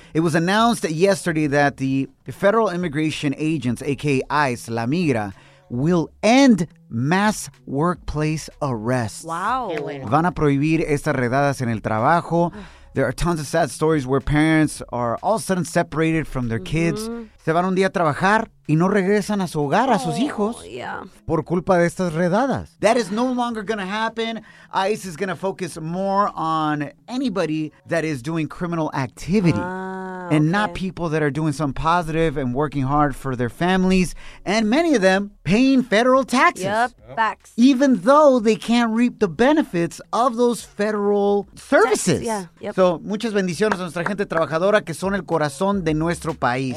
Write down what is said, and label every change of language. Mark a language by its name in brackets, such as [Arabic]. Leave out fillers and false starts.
[English] It was announced yesterday that the Federal Immigration Agents, a.k.a. ICE, La Migra, will end mass workplace arrests. Wow. [Spanish] Van a prohibir estas redadas en el trabajo. [English] There are tons of sad stories where parents are all of a sudden separated from their kids. [Spanish] Se van un día a trabajar y no regresan a su hogar, a sus hijos, por culpa de estas redadas. [English] That is no longer going to happen. ICE is going to focus more on anybody that is doing criminal activity. And not people that are doing some positive and working hard for their families. And many of them paying federal taxes. Yep, facts. Even though they can't reap the benefits of those federal services. Yeah. [Spanish] So, muchas bendiciones a nuestra gente trabajadora que son el corazón de nuestro país.